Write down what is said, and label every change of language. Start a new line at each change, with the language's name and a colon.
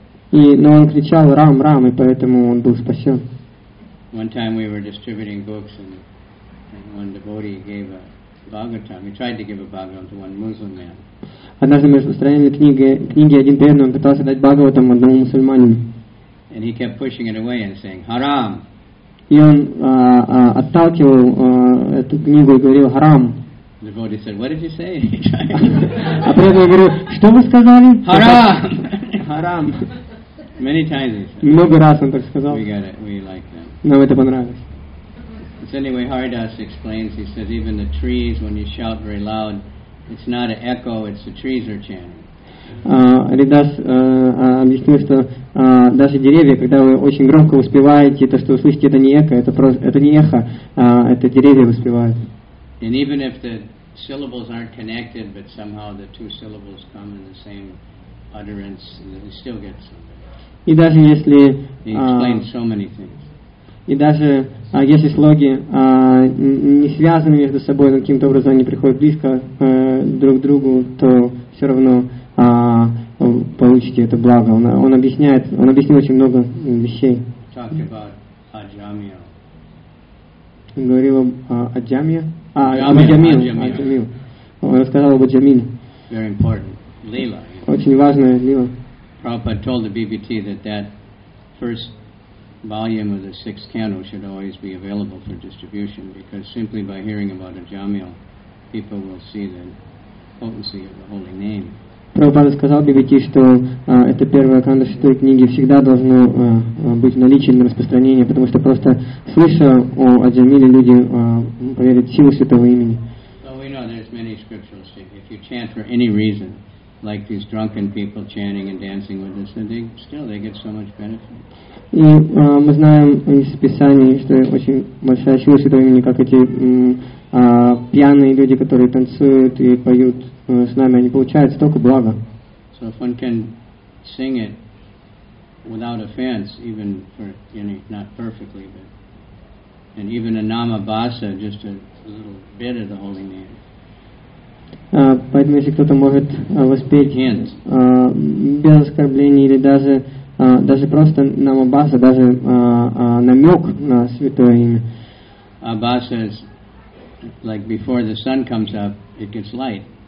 Russian: Но он кричал «Рам! Рам!», и поэтому он был спасен.
English: One time we were distributing books and one devotee gave a Bhagavatam. He tried to give a Bhagavatam to one Muslim man.
Russian: Однажды мы распространили книги, один преданный, он пытался дать Бхагаватам одному мусульманину.
English: And he kept pushing it away and saying, Haram.
Russian: И он отталкивал эту книгу и говорил, Харам.
English: The devotee said, what did you say?
Russian: А преданный говорил, что вы сказали? Харам! Харам!
English: Many times he said.
Russian: Много раз он так сказал.
English: We got it, we like that.
Russian: Нам это понравилось.
English: So anyway, Haridas explains, he says, even the trees, when you shout very loud, it's not an echo, it's the trees are chanting.
Russian: Ридас объяснил, что даже деревья, когда вы очень громко воспеваете, то, что вы слышите, это не эхо, это не эхо, это деревья воспевают.
English: And even if the syllables aren't connected, but somehow the two syllables come in the same utterance, you still get something.
Russian: И даже если...
English: He explains so many things.
Russian: И даже если слоги не связаны между собой, но каким-то образом они приходят близко друг к другу, то все равно получите это благо. Он объясняет, он объяснил очень много вещей.
English: Talked about Ajamiya.
Russian: Говорил об Аджамиле. Он рассказал об Аджамиле.
English: Very important. Лила.
Russian: Очень важная лила.
English: Prabhupada told the BBT that that first volume of the sixth canto should always be available for distribution because simply by hearing about Аджамиле, people will see the potency of the holy name.
Russian: Прабхупада сказал BBT, что это первая канта шестой книги всегда должно быть в наличии для распространения, потому что просто слыша о Аджамиле, люди поверят в силу святого имени.
English: So we know there's many scriptural states. If you chant for any reason, like these drunken people chanting and dancing with us, then they get so much benefit.
Russian: И мы знаем из Писаний, что очень большая сила святого имени, как эти пьяные люди, которые танцуют и поют с нами, они получают столько блага.
English: So if one can sing it without offense, even for not perfectly, but and even a nama basa, just a little bit of the holy name.
Russian: Поэтому если кто-то может воспеть без оскорблений или даже даже просто нама баса, даже намек на святое имя.
English: Баса is like before the sun comes up, it gets light.